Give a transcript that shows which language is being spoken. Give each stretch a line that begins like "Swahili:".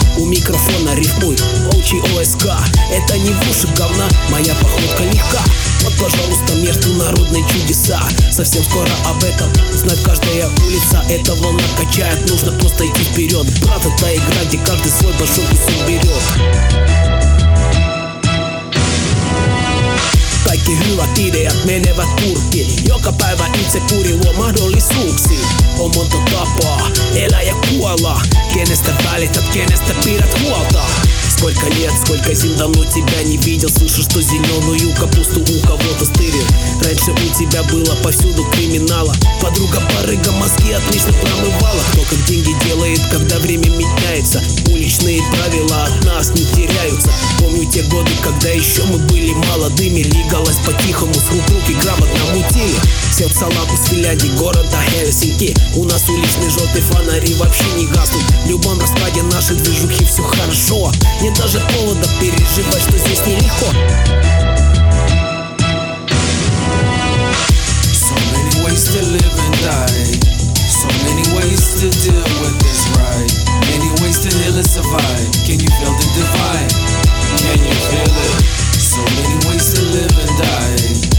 Russian: У микрофона рифмуй, волчий ОСК. Это не в уши говна, моя походка легка. Вот пожалуйста, международные чудеса. Совсем скоро об этом знает каждая улица. Эта волна качает, нужно просто идти вперед. Брат, это игра, где каждый свой большой кусок берет.
Finnish: Kaikki hyvät ideat menevät purkkiin. Joka päivä itse kuri luo mahdollisuuksiin. On monta tapaa elää ja kuolla. Kenestä välität, kenestä pidät huolta.
Russian: Сколько лет, сколько зим давно тебя не видел. Слышу, что зеленую капусту у кого-то стырил. Раньше у тебя было повсюду криминала. Подруга барыга мозги отлично промывала. Кто как деньги делает, когда время меняется. Уличные правила от нас не теряются. Помню те годы, когда еще мы были молодыми. Лигалась по-тихому, с рук руки грамотно мутили. Все в салату с Финляндии, города Хельсинки. У нас уличные желтые фонари вообще не гаснут. В любом раскладе наши движухи все хорошо. Нет даже повода переживать, что здесь нелегко.
English: So many ways to live and die. So many ways to deal with this ride. Many ways to heal and survive. Can you feel the divide? Can you feel it? So many ways to live and die.